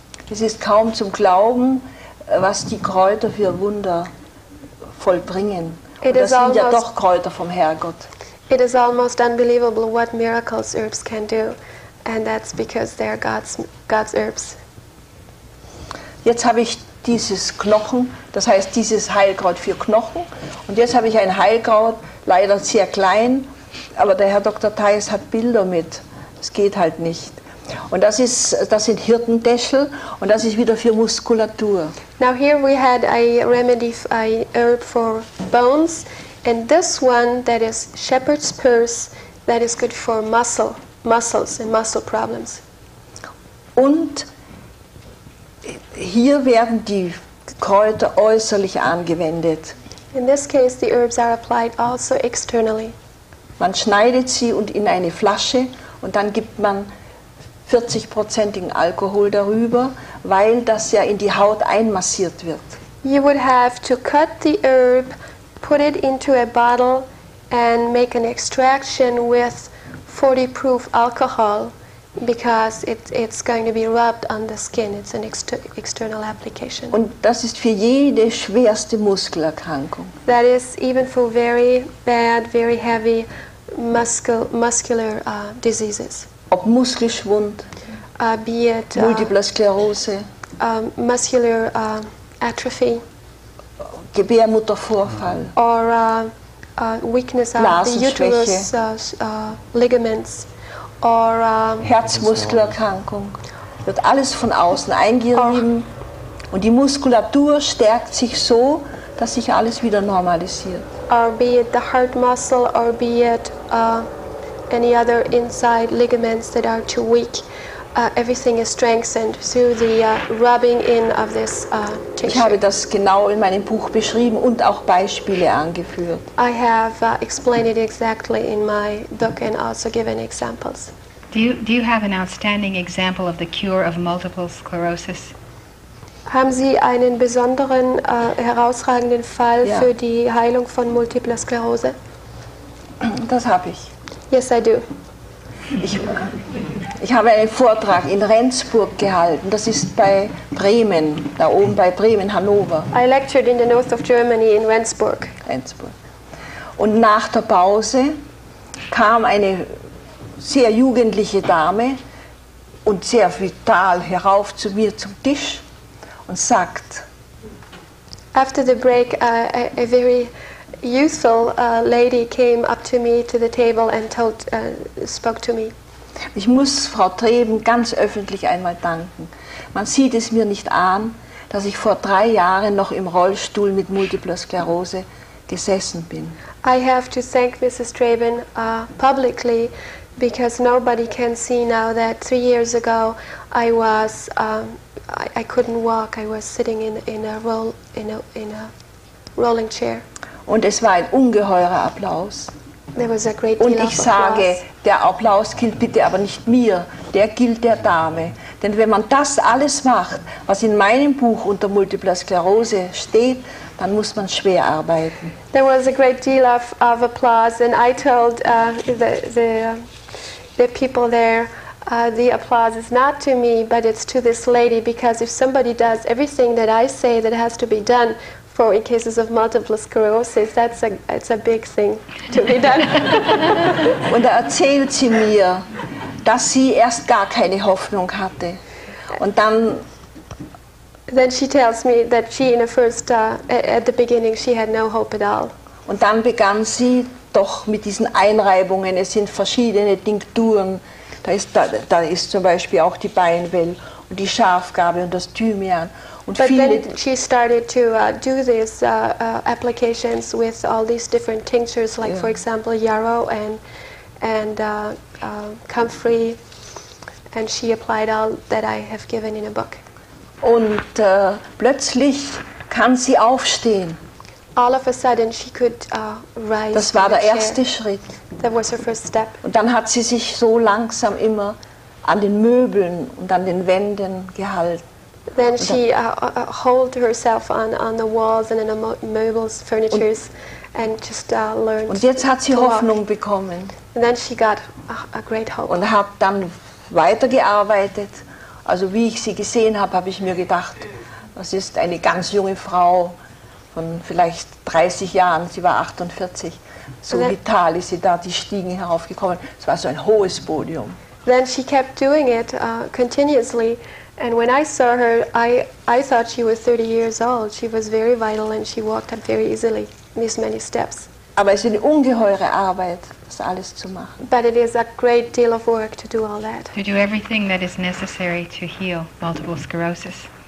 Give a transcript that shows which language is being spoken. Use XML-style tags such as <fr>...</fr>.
<de>Es ist kaum zum Glauben, was die Kräuter für Wunder vollbringen. Und das sind ja doch Kräuter vom Herrgott.</de> <en>It is almost unbelievable what miracles herbs can do, and that's because they're God's herbs.</en> <de>Jetzt habe ich dieses Knochen, das heißt dieses Heilkraut für Knochen, und jetzt habe ich ein Heilkraut, leider sehr klein, aber der Herr Dr. Theis hat Bilder mit. Es geht halt nicht. Und das sind Hirtendäschel und das ist wieder für Muskulatur.</de> <en>Now here we had a remedy, a herb for bones, and this one that is shepherd's purse, that is good for muscles and muscle problems.</en> <de>Und hier werden die Kräuter äußerlich angewendet.</de> <en>In this case the herbs are applied also externally.</en> <de>Man schneidet sie und in eine Flasche und dann gibt man 40%igen Alkohol darüber, weil das ja in die Haut einmassiert wird.</de> <en>You would have to cut the herb, put it into a bottle and make an extraction with 40 proof alcohol because it's going to be rubbed on the skin. It's an external application.</en> <de>Und das ist für jede schwerste Muskelerkrankung.</de> <en>That is even for very bad, very heavy muscular diseases.</en> <de>Ob Muskelschwund, Multiple Sklerose,</de> <en>Muscular Atrophy,</en> <de>Gebärmuttervorfall.</de> <en>Or weakness of the uterus ligaments. Or</en> <de>Herzmuskelerkrankung. Wird alles von außen eingerieben. Und die Muskulatur stärkt sich so, dass sich alles wieder normalisiert.</de> <en>Or be it the heart muscle, or be it any other inside ligaments that are too weak. Everything is strengthened through the rubbing in of this tissue.</en> <de>Ich habe das genau in meinem Buch beschrieben und auch Beispiele angeführt.</de> <en>I have explained it exactly in my book and also given examples. Do you have an outstanding example of the cure of multiple sclerosis?</en> <de>Haben Sie einen besonderen, herausragenden Fall ja. für die Heilung von Multipler Sklerose? Das habe ich.</de> <en>Yes, I do.</en> <de>Ich habe einen Vortrag in Rendsburg gehalten. Das ist bei Bremen, da oben bei Bremen, Hannover.</de> <en>I lectured in the north of Germany in Rendsburg.</en> <de>Rendsburg. Und nach der Pause kam eine sehr jugendliche Dame und sehr vital herauf zu mir zum Tisch. Und sagt,</de> <en>after the break, a very youthful lady came up to me to the table and spoke to me.</en> <de>Ich muss Frau Treben ganz öffentlich einmal danken. Man sieht es mir nicht an, dass ich vor 3 Jahren noch im Rollstuhl mit Multipler Sklerose gesessen bin.</de> <en>I have to thank Mrs. Treben publicly, because nobody can see now that 3 years ago I was. I couldn't walk. I was sitting in a rolling chair.</en> <de>Und es war ein ungeheurer Applaus.</de> <en>There was a great deal</en> <de>Und ich sage,</de> <en>applause.</en> <de>Der Applaus gilt bitte aber nicht mir, der gilt der Dame. Denn wenn man das alles macht, was in meinem Buch unter Multiple Sklerose steht, dann muss man schwer arbeiten.</de> <en>There was a great deal of applause, and I told the people there. The applause is not to me, but it's to this lady, because if somebody does everything that I say that has to be done for in cases of multiple sclerosis, that's it's a big thing to be done.</en> <de>Und da erzählt sie mir, dass sie erst gar keine Hoffnung hatte. Und dann</de> <en>then she tells me that she in the first at the beginning she had no hope at all.</en> <de>Und dann begann sie doch mit diesen Einreibungen, es sind verschiedene Tinkturen. Da ist zum Beispiel auch die Beinwell und die Schafgarbe und das Thymian. Und</de> <en>but</en> <de>viele</de> <en>then she started to do these applications with all these different tinctures, like yeah. for example yarrow and comfrey, and she applied all that I have given in a book.</en> <de>Und plötzlich kann sie aufstehen.</de> <en>All of a sudden she could rise.</en> <de>Das war der erste Schritt.</de> <en>That was her first step.</en> <de>Und dann hat sie sich so langsam immer an den Möbeln und an den Wänden gehalten.</de> <en>Then she held herself on the walls and in the mobiles, furnitures, and just learned.</en> <de>Und jetzt hat sie Hoffnung bekommen.</de> <en>And then she got a great hope.</en> <de>Und hat dann weitergearbeitet. Also wie ich sie gesehen habe, habe ich mir gedacht, das ist eine ganz junge Frau. Von vielleicht 30 Jahren, sie war 48, so vital ist sie da, die Stiegen heraufgekommen. Es war so ein hohes Podium.</de> <en>Then she kept doing it continuously, and when I saw her, I thought she was 30 years old. She was very vital and she walked up very easily, these many steps.</en> <de>Aber es ist eine ungeheure Arbeit, das alles zu machen.</de> <en>But it is a great deal of work to do all that. To do everything that is necessary to heal multiple sclerosis.</en>